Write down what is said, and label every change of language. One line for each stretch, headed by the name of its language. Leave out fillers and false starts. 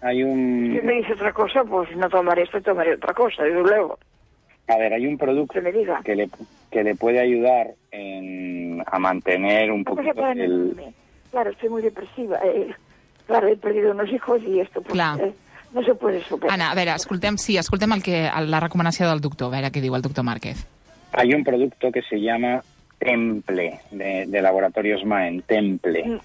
Spanish: Si me dice otra cosa, pues no tomaré esto, tomaré otra cosa, y luego... A ver, hay un producto que le puede ayudar a mantener un poquito el... Mí, claro, estoy muy depresiva. Claro, he perdido unos hijos y esto, pues, claro. No se puede superar.
Catalan: Ana, a ver, escoltem la recomanació del doctor, a veure què diu el doctor Márquez.
Spanish: Hay un producto que se llama Temple, de Laboratorios Maen, Temple.